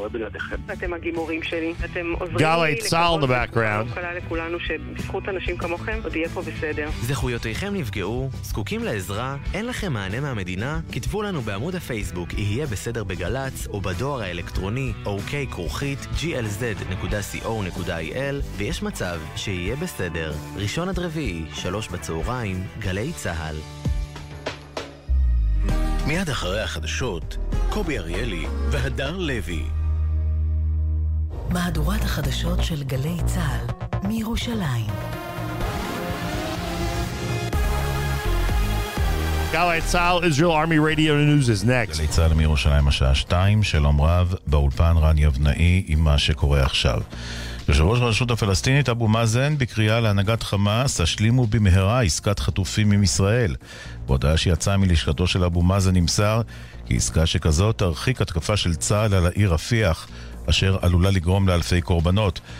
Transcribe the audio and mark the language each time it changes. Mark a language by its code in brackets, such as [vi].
[en] Galei Tzal in the background. [he] שיהיה בסדר. ראשון עד רביעי, 3:00 PM, גלי צהל. מיד אחרי החדשות, קובי אריאלי והדר לוי. מהדורת החדשות של גלי צהל, מירושלים. [en] גלי צהל, Israel Army Radio News is next. [he] גלי צהל מירושלים, השעה 2, שלום רב, באולפן רן יבנאי, עם מה שקורה עכשיו. יושב ראש הרשות הפלסטינית אבו מאזן בקריאה להנהגת חמאס, השלימו במהרה עסקת חטופים עם ישראל. בהודעה שיצאה מלשכתו של אבו מאזן נמסר כי עסקה שכזאת תרחיק התקפה של צהל על העיר רפיח, אשר עלולה לגרום לאלפי קורבנות.